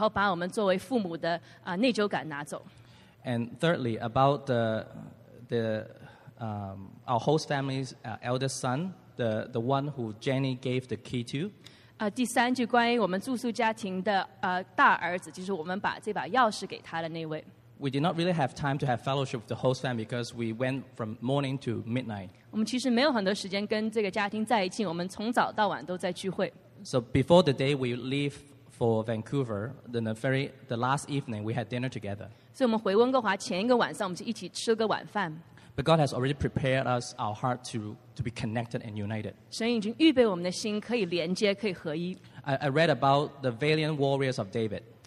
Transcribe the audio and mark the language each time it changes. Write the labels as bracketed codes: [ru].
[zh] 所以神的确给我们足够的恩典，我们可以一个家一起行走，然后把我们作为父母的内疚感拿走。 [en] And thirdly, about our host family's eldest son, the one who Jenny gave the key to. [zh] 第三句关于我们住宿家庭的大儿子，就是我们把这把钥匙给他的那位。 [en] We did not really have time to have fellowship with the host family because we went from morning to midnight. [zh] 我们其实没有很多时间跟这个家庭在一起，我们从早到晚都在聚会。 [en] So before the day we leave for Vancouver, then the last evening we had dinner together. [zh] 所以我们回温哥华前一个晚上，我们就一起吃个晚饭。 [en] But God has already prepared us, our heart, to be connected and united. [zh] 神已经预备我们的心可以连接，可以合一。 [en] I read about the valiant warriors of David.